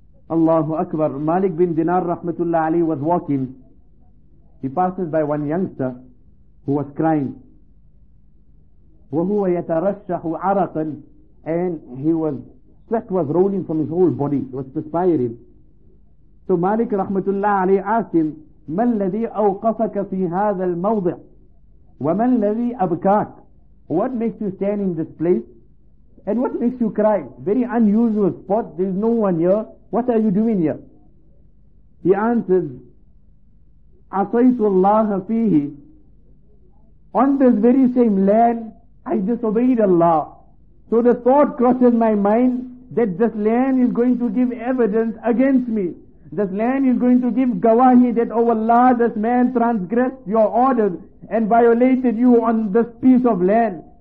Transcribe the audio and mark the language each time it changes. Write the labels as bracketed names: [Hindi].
[English] Allahu Akbar. Malik bin Dinar rahmatullah alayhi was walking. He passes by one youngster who was crying. [Arabic] وَهُوَ يَتَرَشَّحُ عَرَقًا. [English] And he was, sweat was rolling from his whole body. He was perspiring. So Malik rahmatullah alayhi asked him, [Arabic] مَنْ لَذِي أَوْقَفَكَ فِي هَذَا الْمَوْضِعِ وَمَنْ لَذِي أَبْكَاكَ. [English] What makes you stand in this place? And what makes you cry? Very unusual spot. There is no one here. What are you doing here? He answers, [Arabic] عَصَيْتُ اللَّهَ فِيهِ. [English] On this very same land, I disobeyed Allah. So the thought crosses my mind that this land is going to give evidence against me. This land is going to give gawahi that, oh Allah, this man transgressed your orders and violated you on this piece of land.